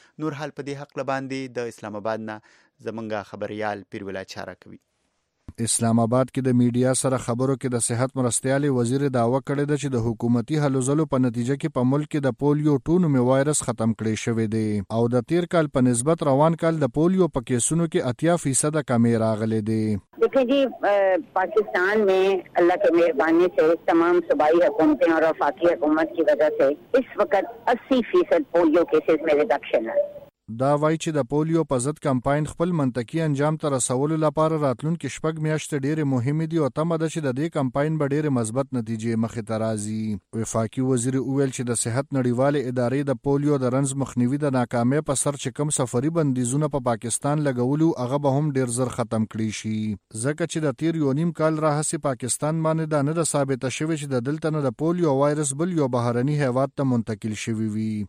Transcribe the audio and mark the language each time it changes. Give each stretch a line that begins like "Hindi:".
Pashto: نور حال په دې حق باندې د اسلام آباد نه زمونږ خبريال پیر ولا چاره کوي. اسلام آباد کې د میډیا سره خبرو کې د صحت مرستیالي وزیر داوه کړی ده چې د حکومتي هلو ځلو په نتیجه کې په ملک کې د پولیو ټونو می وایرس ختم کړی شوی دی او د تیر کال په نسبت روان کال د پولیو په کیسونو کې 80% کمی راغلی دی.
Urdu: دیکھیں جی, پاکستان میں اللہ کی مہربانی سے تمام صوبائی حکومتیں اور وفاقی حکومت کی وجہ سے اس وقت 80% پولیو کیسز میں ریڈکشن ہے.
Pashto: دا وای چې د پولیو په ضد کمپاین خپل منطقي انجام تر رسولو لپاره راتلونکي شپږ میاشتې ډېرې مهمې دي او تمه ده چې د دې کمپاین به ډېرې مثبت نتیجې مخې ته راځي. وفاقي وزیر اویل چې د صحت نړیوالې ادارې د پولیو د رنز مخنیوي د ناکامۍ په سر چې کوم سفري بندیزونه په پاکستان لګولو هغه به هم ډېر زر ختم کړي شي, ځکه چې د تیر یو نیم کال راهسې پاکستان باندې دا نه ده ثابته شوې چې د دلته نه د پولیو وایرس بل یو بهرني هیواد ته منتقل شوي وي.